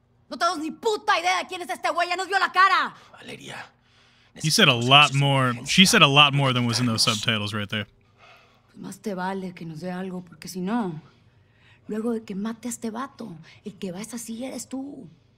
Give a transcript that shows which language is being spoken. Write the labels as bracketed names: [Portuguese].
[Spanish] No tenemos ni puta idea de quién es este güey. ¡Ya nos vio la cara! Valeria. [English] He said a lot more. She said a lot more than was in those subtitles right there. [Spanish] Pues más te vale que nos dé algo, porque si no, luego de que mate a este vato, el que va a esa silla eres tú.